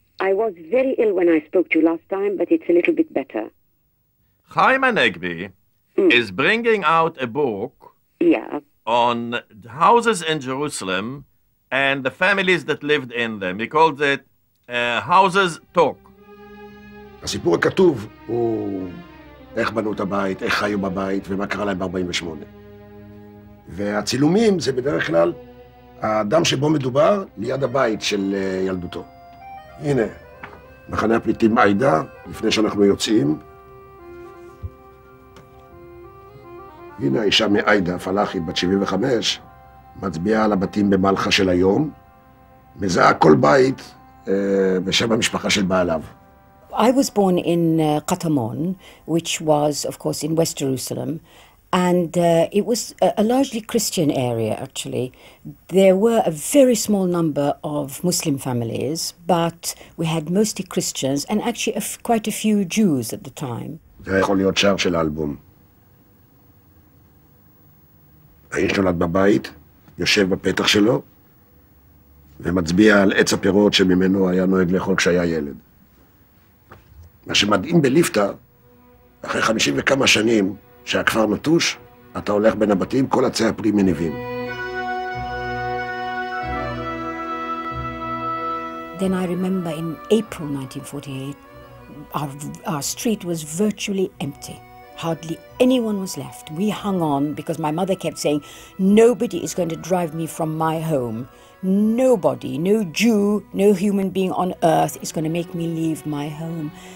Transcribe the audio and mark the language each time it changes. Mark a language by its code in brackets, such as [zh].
[en] I was very ill when I spoke to you last time, but it's a little bit better. Chaim Hanegbi is bringing out a book on houses in Jerusalem and the families that lived in them. He called it Houses Talk. [he] הסיפור הכתוב הוא איך בנו את הבית, איך חיו בבית ומה קרה להם ב-48. והצילומים זה בדרך כלל האדם שבו מדובר ליד הבית של ילדותו. הנה, מחנה הפליטים עידה, לפני שאנחנו יוצאים. הנה האישה מעידה, פלאחית, בת 75, מצביעה על הבתים במלחה של היום, מזהה כל בית בשם המשפחה של בעליו. [en] I was born in Katamon, which was, of course, in West Jerusalem, and it was a largely Christian area, actually. There were a very small number of Muslim families, but we had mostly Christians, and actually quite a few Jews at the time. [he] זה יכול להיות שער של אלבום. האיש נולד בבית, יושב בפתח שלו, ומצביע על עץ הפירות שממנו היה נוהג לאכול כשהיה ילד. מה שמדהים בליפטה, אחרי 50 וכמה שנים שהכפר נטוש, אתה הולך בין הבתים, כל הצי הפרי מניבים. [en] Then I remember in April 1948, our street was virtually empty. Hardly anyone was left. We hung on because my mother kept saying, nobody is going to drive me from my home. Nobody, no Jew, no human being on earth is going to make me leave my home.